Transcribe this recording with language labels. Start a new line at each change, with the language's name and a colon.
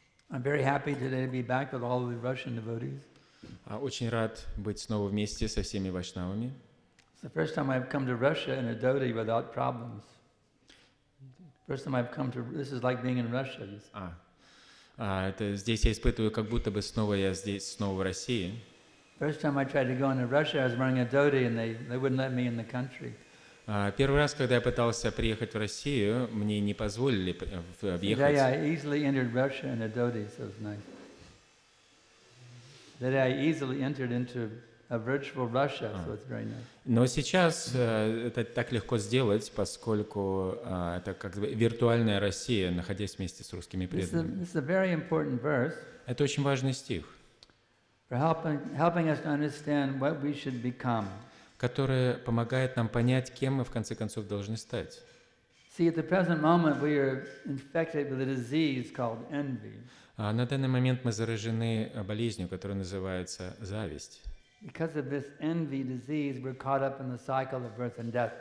English: I'm very happy today to be back with all the Russian devotees.
Russian: Очень рад быть снова вместе со всеми вайшнавами.
English: It's the first time I've come to Russia in a dhoti without problems. First time I've come to this is like being in Russia.
Russian: Это здесь я испытываю, как будто бы снова я здесь, снова в России.
English: First time I tried to go into Russia, I was wearing a dhoti, and they wouldn't let me in the country.
Russian: Первый раз, когда я пытался приехать в Россию, мне не позволили въехать.
English: Yeah, I easily entered Russia in a dhoti, so it's nice. That I easily entered into a virtual Russia, so it's very nice.
Russian: Но сейчас это так легко сделать, поскольку это как бы виртуальная Россия, находясь вместе с русскими преданными.
English: This is a very important verse.
Russian: Это очень важный стих.
English: For helping us to understand what we should become.
Russian: Которая помогает нам понять, кем мы в конце концов должны стать.
English: See, at the present moment we are infected with a disease called envy.
Russian: На данный момент мы заражены болезнью, которая называется зависть.
English: Because of this envy disease, we're caught up in the cycle of birth and death.